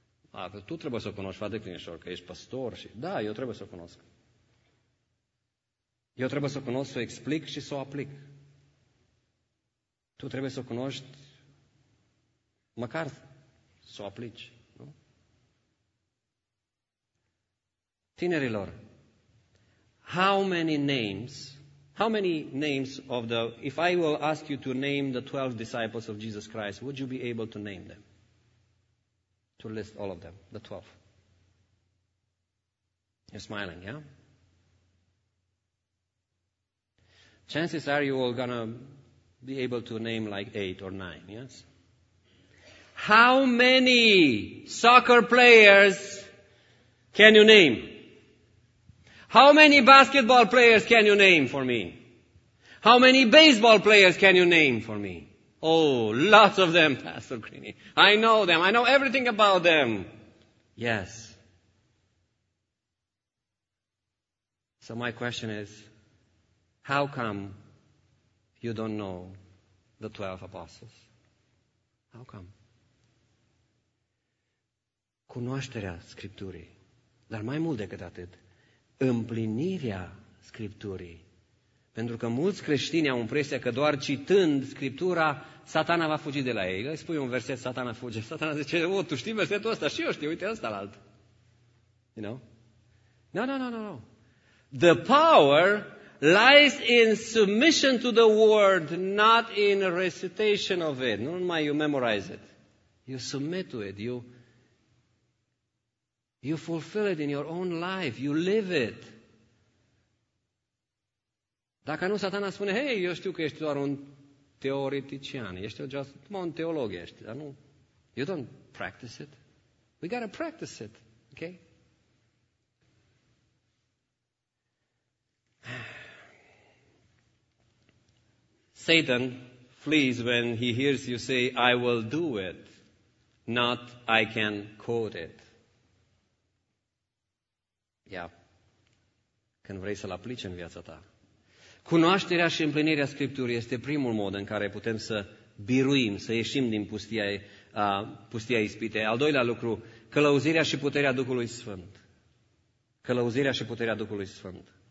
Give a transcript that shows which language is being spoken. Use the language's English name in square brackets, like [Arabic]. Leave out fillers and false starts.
[Romanian] A, tu trebuie să o cunoști, frate Clinișor, că ești pastor și... Da, eu trebuie să o cunosc. Eu trebuie să o cunosc, să o explic și să o aplic. Tu trebuie să o cunoști, măcar să o aplici, nu? Tinerilor, [English] how many names of the, if I will ask you to name the 12 disciples of Jesus Christ, would you be able to name them? To list all of them, the 12. You're smiling, yeah? Chances are you're all going to be able to name like 8 or 9, yes? How many soccer players can you name? How many basketball players can you name for me? How many baseball players can you name for me? Oh, lots of them, Pastor Greeny. I know them. I know everything about them. Yes. So my question is, how come you don't know the 12 apostles? How come? [Romanian] Cunoașterea Scripturii. Dar mai mult decât atât, împlinirea Scripturii. Pentru că mulți creștini au impresia că doar citând Scriptura, Satana va fugi de la ei. Îi spui un verset, Satana fuge. Satana zice, o, tu știi versetul ăsta? Și eu știu, uite ăsta la alt. [English] You know? No. The power lies in submission to the word, not in recitation of it. [Romanian] Nu numai [English] you memorize it. You submit to it. You fulfill it in your own life. You live it. [Romanian] Dacă nu, Satana spune, hei, eu știu că ești doar un teoretician, ești doar un teolog, ești, dar nu. [English] You don't practice it. We gotta practice it, okay? Satan flees when he hears you say, I will do it, not I can quote it. Yeah. [Romanian] Când vrei să-l aplici în viața ta. Cunoașterea și împlinirea Scripturii este primul mod în care putem să biruim, să ieșim din pustia ispitei. Al doilea lucru, călăuzirea și puterea Duhului Sfânt. Călăuzirea și puterea Duhului Sfânt.